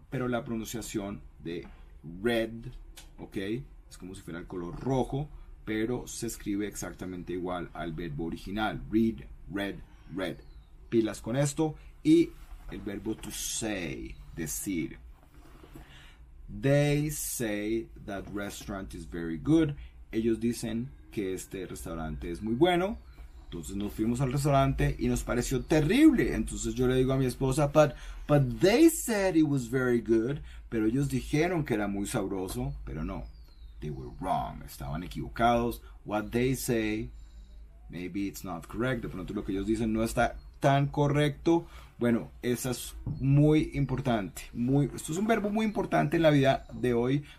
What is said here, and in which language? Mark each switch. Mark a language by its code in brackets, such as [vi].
[es] Pero la pronunciación de red, ok, es como si fuera el color rojo, pero se escribe exactamente igual al verbo original, read, red, red. Pilas con esto. Y el verbo [en] to say, decir. They say that restaurant is very good. [es] Ellos dicen que este restaurante es muy bueno. Entonces nos fuimos al restaurante y nos pareció terrible. Entonces yo le digo a mi esposa, [en] but they said it was very good. [es] Pero ellos dijeron que era muy sabroso, pero no. [en] They were wrong. [es] Estaban equivocados. [en] What they say, maybe it's not correct. [es] De pronto lo que ellos dicen no está tan correcto. Bueno, eso es muy importante. Esto es un verbo muy importante en la vida de hoy.